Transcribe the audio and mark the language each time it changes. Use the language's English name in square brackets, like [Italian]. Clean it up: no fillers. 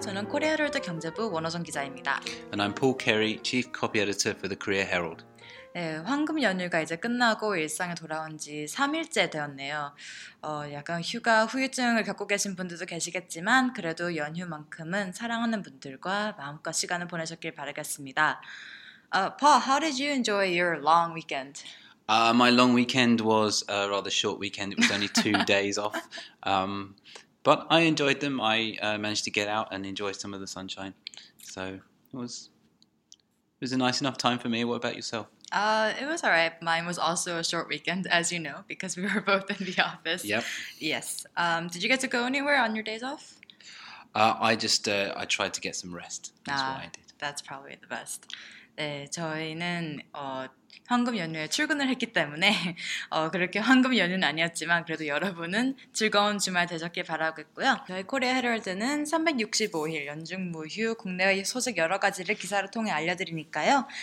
[Korean] 저는 코리아 헤럴드 경제부 원어정 기자입니다. [English] And I'm Paul Carey, chief copy editor for the Korea Herald. [Korean] 네, 황금 연휴가 이제 끝나고 일상에 돌아온 지 3일째 되었네요. 약간 휴가 후유증을 겪고 계신 분들도 계시겠지만 그래도 연휴만큼은 사랑하는 분들과 마음껏 시간을 보내셨길 바라겠습니다. [English] Paul, how did you enjoy your long weekend? My long weekend was a rather short weekend. It was only two days off. But I enjoyed them. I managed to get out and enjoy some of the sunshine. So it was a nice enough time for me. What about yourself? It was all right. Mine was also a short weekend, as you know, because we were both in the office. Yep. Yes. Did you get to go anywhere on your days off? I tried to get some rest. That's what I did. That's probably the best. [Korean] 네, 저희는 황금 연휴에 출근을 했기 때문에 그렇게 황금 연휴는 아니었지만 그래도 여러분은 즐거운 주말 되셨길 바라겠고요. 저희 코리아 헤럴드는 365일 연중 무휴 국내외 소식 여러 가지를 기사를 통해 알려드리니까요.